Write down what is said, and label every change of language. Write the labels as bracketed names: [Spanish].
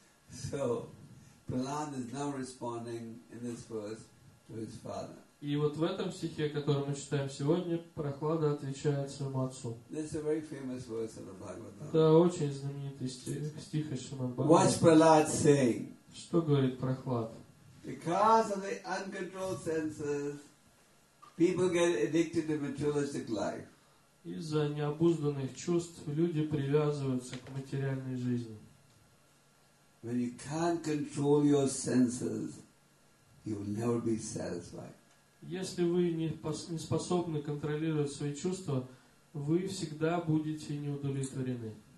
[English] So, Prahlad is now responding in this verse to his father. [Russian] И вот в этом стихе, который мы читаем сегодня, Прохлада отвечает своему отцу. Это очень знаменитый стих, стих из Шримад Бхагаватам. Что говорит Прохлад? [English] Because of the uncontrolled senses, people get addicted to materialistic life. [Russian] Из-за необузданных чувств люди привязываются к материальной жизни. [English] When you can't control your senses, you will never be satisfied. [Russian] Если вы не способны контролировать свои чувства, вы всегда будете неудовлетворены.